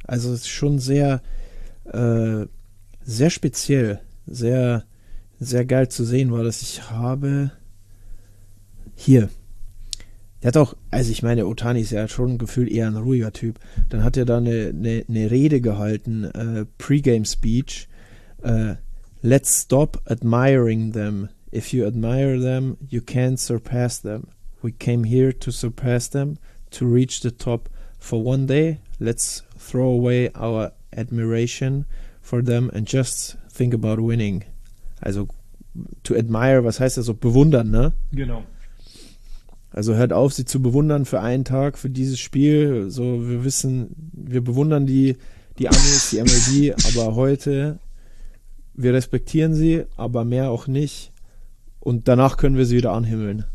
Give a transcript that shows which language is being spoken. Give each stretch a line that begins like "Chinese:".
German: Also es ist schon sehr, sehr speziell, sehr, sehr geil zu sehen war, dass ich habe hier. Der hat auch, also ich meine, Otani ist ja schon gefühlt eher ein ruhiger Typ. Dann hat er da eine Rede gehalten, Pre-Game Speech.
English: Let's stop admiring them. If you admire them, you can't surpass them. We came here to surpass them, to reach the top. For one day, let's throw away our admiration for them and just think about winning.
German: Also,
English: to admire,
German: was heißt das? So, bewundern, ne? Genau. Also hört auf, sie zu bewundern für einen Tag, für dieses Spiel. So, wir wissen, wir bewundern die Amis, die MLB, aber heute wir respektieren sie, aber mehr auch nicht. Und danach können wir sie wieder anhimmeln.